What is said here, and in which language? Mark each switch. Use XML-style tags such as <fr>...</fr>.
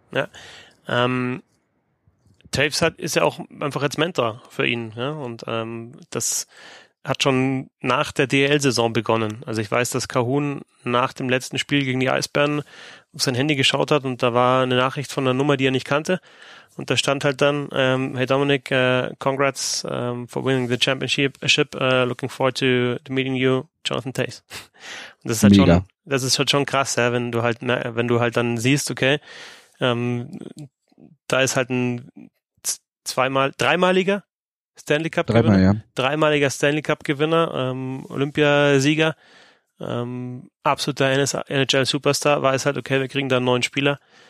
<de>Ja, Toews ist ja auch einfach jetzt Mentor für ihn, ja, und das hat schon nach der DL-Saison begonnen. Also ich weiß, dass Kahun nach dem letzten Spiel gegen die Eisbären auf sein Handy geschaut hat und da war eine Nachricht von einer Nummer, die er nicht kannte. Und da stand halt dann,</de> <en>hey Dominic, congrats for winning the championship, looking forward to meeting you, Jonathan Toews.</en> <de>Und das ist halt schon krass, ja, wenn du halt dann siehst, okay, da ist halt ein dreimaliger Stanley Cup-Gewinner, dreimaliger Stanley Cup-Gewinner, Olympiasieger, Absoluter NHL-Superstar, weiß halt, okay, wir kriegen da einen neuen Spieler.</de>